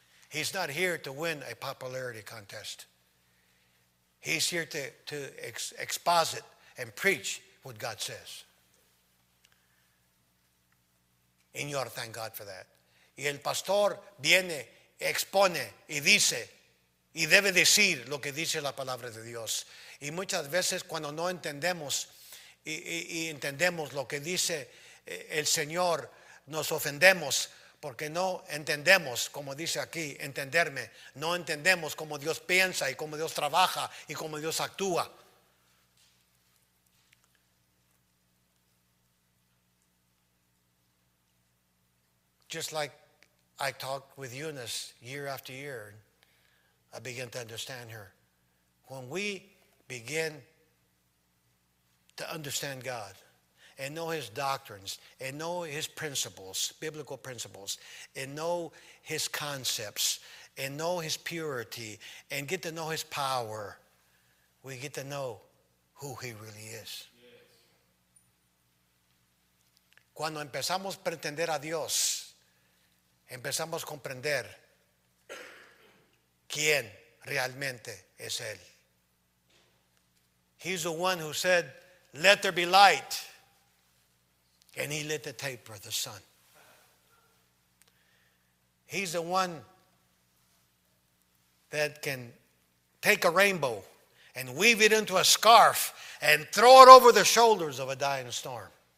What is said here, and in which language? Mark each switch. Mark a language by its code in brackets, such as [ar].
[en] He's not here to win a popularity contest. He's here to exposit and preach what God says. And you ought to thank God for that. [es] Y el pastor viene, expone y dice, y debe decir lo que dice la palabra de Dios. Y muchas veces cuando no entendemos y entendemos lo que dice el Señor, nos ofendemos porque no entendemos, como dice aquí, entenderme. No entendemos cómo Dios piensa y cómo Dios trabaja y cómo Dios actúa. [en] Just like I talked with Eunice year after year, I began to understand her. When we begin to understand God and know his doctrines and know his principles, biblical principles, and know his concepts and know his purity and get to know his power, we get to know who he really is. Yes. [es] Cuando empezamos a entender a Dios, empezamos a comprender quién realmente es Él. [en] He's the one who said, let there be light. And he lit the taper of the sun. He's the one that can take a rainbow and weave it into a scarf and throw it over the shoulders of a dying storm.